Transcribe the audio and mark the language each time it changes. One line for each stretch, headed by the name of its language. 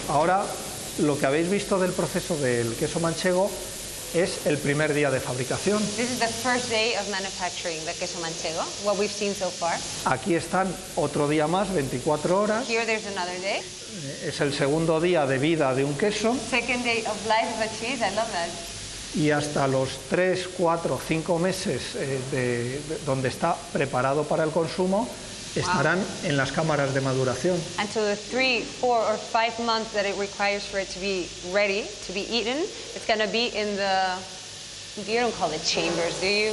Spanish: ahora lo que habéis visto del proceso del queso manchego es el primer día de fabricación.
English: This is the first day of manufacturing the queso manchego, what we've seen so far.
Spanish: Aquí están otro día más, 24 horas.
English: Here there's another day.
Spanish: Es el segundo día de vida de un queso.
English: Second day of life of a cheese, I love that.
Spanish: Y hasta los 3, 4, 5 meses de donde está preparado para el consumo, estarán wow. en las cámaras de maduración.
English: Until the 3, 4, or 5 months that it requires for it to be ready to be eaten, it's going to be in the, you don't call it chambers, do you?